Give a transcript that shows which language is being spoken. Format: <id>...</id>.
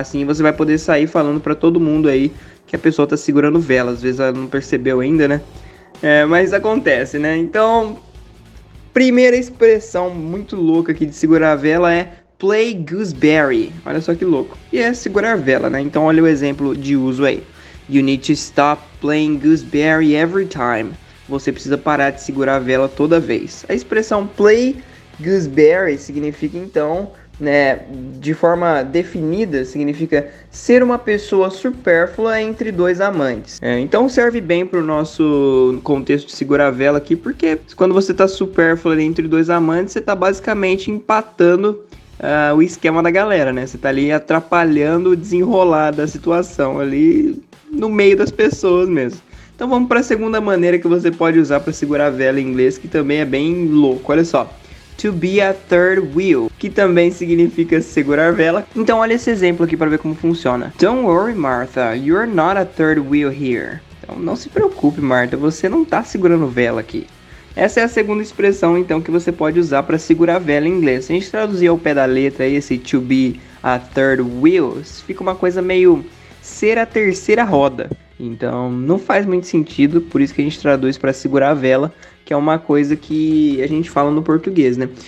<pt>Assim você vai poder sair falando para todo mundo aí que a pessoa tá segurando vela, às vezes ela não percebeu ainda, né? É, mas acontece, né? Então, primeira expressão muito louca aqui de segurar a vela é play gooseberry. Olha só que louco. E é segurar vela, né? Então olha o exemplo de uso aí.</pt> <en>You need to stop playing gooseberry every time.</en> <pt>Você precisa parar de segurar a vela toda vez. A expressão play gooseberry significa, então, né, de forma definida, significa ser uma pessoa supérflua entre dois amantes. É, então serve bem para o nosso contexto de segurar a vela aqui, porque quando você está supérflua entre dois amantes, você está basicamente empatando o esquema da galera, né? Você está ali atrapalhando o desenrolar da situação ali no meio das pessoas mesmo. Então vamos para a segunda maneira que você pode usar para segurar a vela em inglês, que também é bem louco, olha só. To be a third wheel, que também significa segurar a vela. Então olha esse exemplo aqui para ver como funciona.</pt> <en>Don't worry, Martha, you're not a third wheel here.</en> <pt>Então não se preocupe, Martha, você não está segurando vela aqui. Essa é a segunda expressão, então, que você pode usar para segurar a vela em inglês. Se a gente traduzir ao pé da letra esse to be a third wheel, fica uma coisa meio ser a terceira roda. Então, não faz muito sentido, por isso que a gente traduz para segurar a vela, que é uma coisa que a gente fala no português, né?</pt>